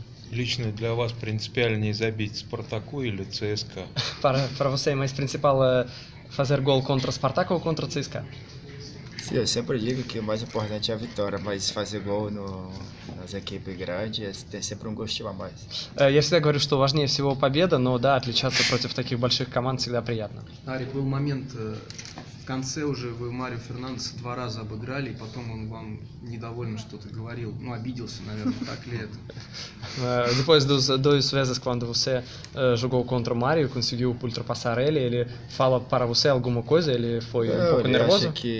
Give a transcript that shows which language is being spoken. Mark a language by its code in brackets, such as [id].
[ru] Лично для вас принципиальнее забить Спартаку или ЦСКА? [pt] Para você, mais principal fazer gol contra Спартак ou contra ЦСКА? Sim, eu sempre digo que o mais importante é a vitória, mas fazer gol nas equipes grandes tem sempre gostinho a mais. [ru] Я всегда говорю, что важнее всего победа, но да, отличаться против таких больших команд всегда приятно. Арик, был момент в конце уже, вы Марио Фернандеса 2 раза обыграли, и потом он вам недовольно что-то говорил, ну обиделся, наверное, так ли это? [pt] Depois dos vezes, quando você jogou contra o Mario, conseguiu ultrapassar ele, ele fala para você alguma coisa, ele foi um pouco nervoso?